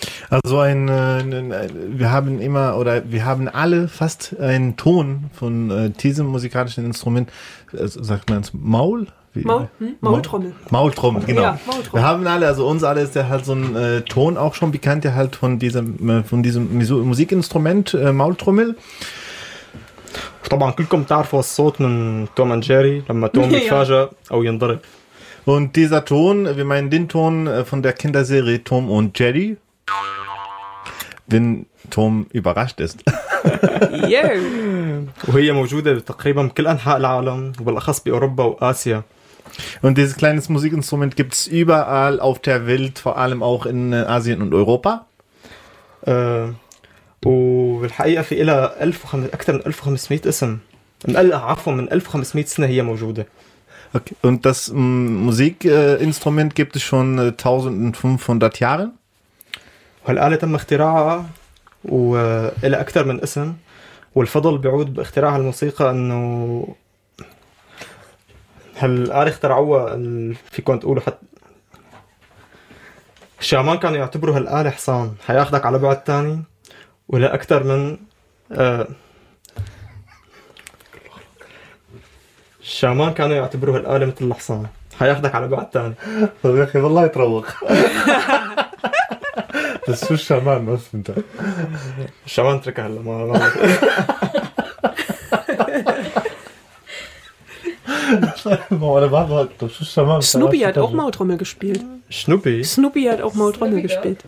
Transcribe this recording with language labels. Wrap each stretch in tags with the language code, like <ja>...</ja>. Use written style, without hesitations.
<de>Also wir haben immer oder wir haben alle fast einen Ton von diesem musikalischen Instrument, sagt man es Maul? Maultrommel. Maultrommel, genau. Ja, Maultrommel. Wir haben alle, also uns alle ist ja halt so ein Ton auch schon bekannt, ja halt von diesem Musikinstrument Maultrommel.</de> <ar>طبعا كلكم تعرفوا الصوت من توم اند جيري لما توم يتفاجأ او ينضرب.</ar> <de>Und dieser Ton, wir meinen den Ton von der Kinderserie Tom und Jerry, wenn Tom überrascht ist.</de> <ar>وهي موجودة تقريبا بكل أنحاء العالم وبالأخص بأوروبا وآسيا.</ar> <de>Und dieses kleine Musikinstrument gibt es überall auf der Welt, vor allem auch in Asien und Europa.</de> <ar>وبالحقيقة في إلها أكثر من 1500 اسم. من 1500 سنة هي موجودة. Okay.</ar> <de>Und das Musikinstrument gibt es schon 1500 Jahre.</de> <ar>والآلة تم اختراعها وإلها أكثر من اسم والفضل بيعود باختراع الموسيقى إنه هالآلة اخترعوها فيكم تقولوا حتى الشامان كانوا يعتبروا هالآلة حصان حياخدك على بعد تاني ولا أكثر من الشامان كانوا يعتبروا هالآلة مثل الحصان حياخدك على بعد تاني. طيب يا أخي بالله يتروق.</ar> <de>Das ist so Schaman, was denn da? Schaman-Tricker, hallo, mal. Warte, das ist Schaman. Snoopy hat auch Maultrommel gespielt. Snoopy? Snoopy hat auch Maultrommel gespielt.</de>